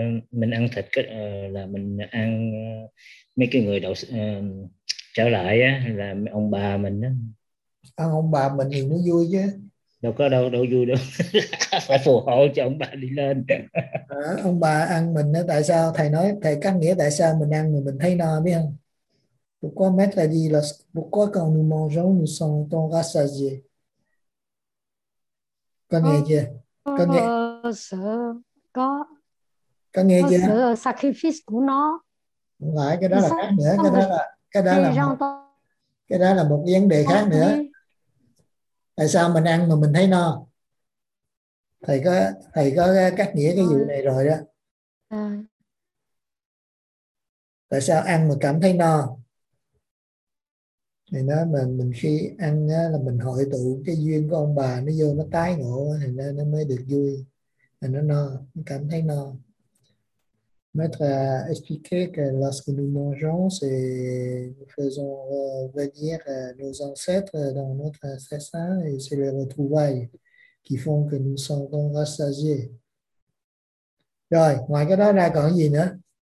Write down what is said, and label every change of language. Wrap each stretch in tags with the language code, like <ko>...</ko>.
<vi>Mình ăn thịt là mình ăn mấy cái người đậu trở lại á, là ông bà mình á. Ăn ông bà mình thì nó vui chứ. Đâu có đâu vui đâu. Phải phù hộ cho ông bà đi lên. Ông bà ăn mình á, tại sao thầy nói, thầy cắt nghĩa tại sao mình ăn mình thấy no biết không?</vi> <fr>Pourquoi maître a dit pourquoi quand nous mangeons nous sentons rassasiés?</fr> <vi>Có nghe chưa? Có nghe chưa? Có sự sacrifice của nó. Không phải, cái đó là khác nữa. Cái đó là một vấn đề khác nữa. Tại sao mình ăn mà mình thấy no? Thầy có cách nghĩa cái vụ này rồi đó. Tại sao ăn mà cảm thấy no? Thì nói mình khi ăn á, là mình hội tụ cái duyên của ông bà nó vô, nó tái ngộ thì nó mới được vui. Là nó no, nó cảm thấy no.</vi> <fr>Maître a expliqué que lorsque nous mangeons, c'est nous faisons revenir nos ancêtres dans notre intestin et c'est les retrouvailles qui font que nous sentons rassasiés.</fr> <vi>Rồi, ngoài cái đó ra còn gì nữa?</vi>